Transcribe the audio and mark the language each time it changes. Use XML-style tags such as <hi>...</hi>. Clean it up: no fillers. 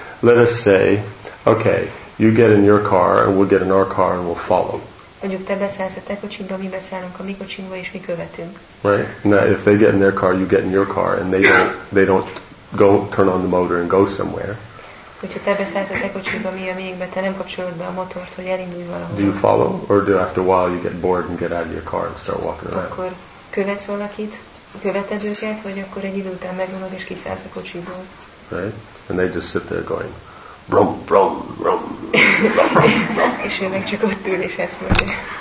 <en>Let us say, okay, you get in your car, and we'll get in our car, and we'll follow.</en> <hu>Mondjuk te beszállsz a te kocsinkba, mi beszállunk a mi kocsinkba, és mi követünk.</hu> <en>Right? Now, if they get in their car, you get in your car, and they don't go turn on the motor and go somewhere.</en> <hu>Hogyha te beszállsz a te kocsinkba, mi a miénkbe, te nem kapcsolod be a motort, hogy elindulj valahol.</hu> <en>Do you follow? Or do after a while you get bored and get out of your car and start walking around?</en> <hu>Akkor követsz valakit, követed őket, vagy akkor egy idő után megunod, és kiszállsz a kocsiból.</hu> <en>Right? And they just sit there going, brum, brum, brum, brum, brum.</en> <hu>És ő meg csak ott ül, és ezt mondja.</hu>